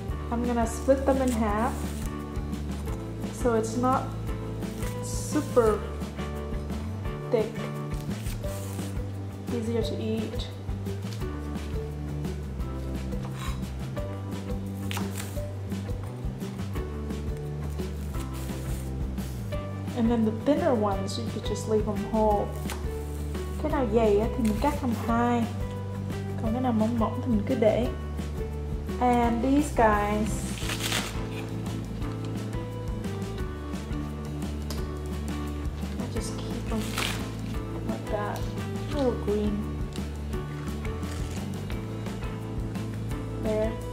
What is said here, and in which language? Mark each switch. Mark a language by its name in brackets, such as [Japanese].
[English] I'm gonna split them in half so it's not super thick, easier to eat. And then the thinner ones, you could just leave them whole. [Vietnamese] Cái nào dày á thì mình cắt làm hai, còn cái nào mỏng mỏng thì mình cứ để. [English] And these guys, I just keep them like that, a little green. There.